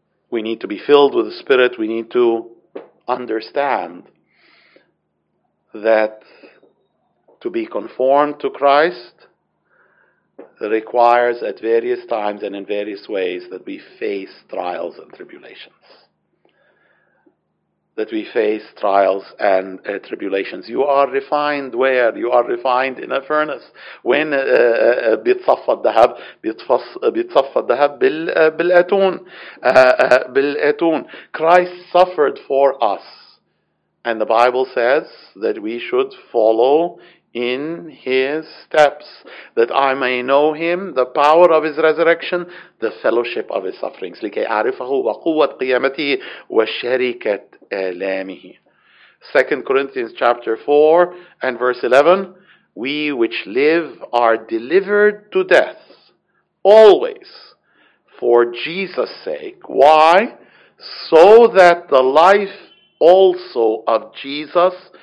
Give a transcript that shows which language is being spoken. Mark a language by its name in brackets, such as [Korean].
[English] We need to be filled with the Spirit. We need to understand that to be conformed to Christ requires at various times and in various ways that we face trials and tribulations. That we face trials and tribulations. You are refined where? You are refined in a furnace. When [Arabic] بيتصفى الذهب بيتصفى الذهب بالأتون بالأتون. [English] Christ suffered for us, and the Bible says that we should follow in his steps, that I may know him, the power of his resurrection, the fellowship of his sufferings. [Arabic] لكي أعرفه وقوة قيامته وشركة آلامه. [English] 2 Corinthians chapter 4 and verse 11, we which live are delivered to death always for Jesus' sake. Why? So that the life also of Jesus